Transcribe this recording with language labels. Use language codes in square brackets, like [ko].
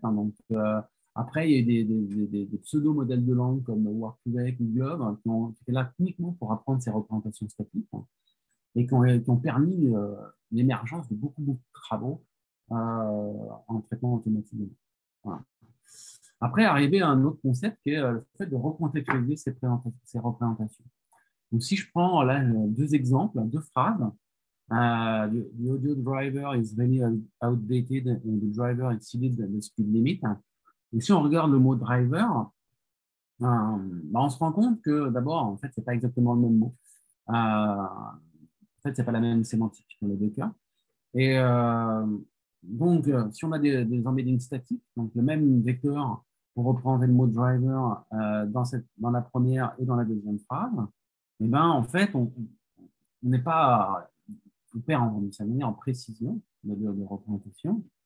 [fr] Hein, donc, après, il y a des pseudo-modèles de langue comme Word2Vec ou Glove qui ont été là uniquement pour apprendre ces représentations statiques et qui ont permis l'émergence de beaucoup, beaucoup de travaux en traitement automatique. Voilà. Après, arriver à un autre concept qui est le fait de recontextualiser ces représentations. Donc, si je prends là, deux exemples, deux phrases. [en] The audio driver is very outdated and the driver exceeded the speed limit. [fr] Et si on regarde le mot driver, on se rend compte que d'abord, en fait, ce n'est pas exactement le même mot. En fait, ce n'est pas la même sémantique dans les deux cas. Et donc, si on a des embeddings statiques, donc le même vecteur pour reprendre le mot driver dans la première et dans la deuxième phrase, eh ben, en fait, on n'est pas hyper en précision de représentation.